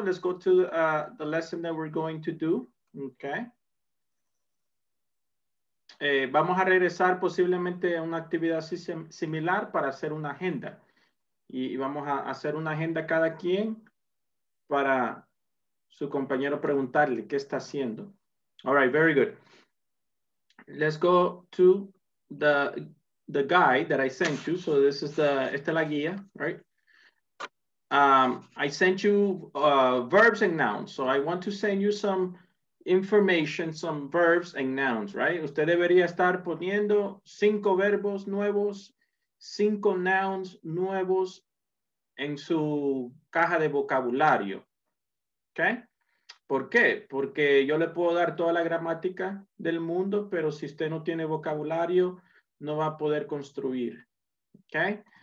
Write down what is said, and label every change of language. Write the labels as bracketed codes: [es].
[en] Let's go to the lesson that we're going to do. Okay. [es] Vamos a regresar posiblemente a una actividad así similar para hacer una agenda. Y vamos a hacer una agenda cada quien para su compañero preguntarle qué está haciendo. [en] All right, very good. let's go to the guide that I sent you. So this is the [es] esta la guía, [en] right? I sent you verbs and nouns. So I want to send you some information, some verbs and nouns, right? [es] Usted debería estar poniendo cinco verbos nuevos, cinco nouns nuevos en su caja de vocabulario, okay? ¿Por qué? Porque yo le puedo dar toda la gramática del mundo, pero si usted no tiene vocabulario, no va a poder construir, okay?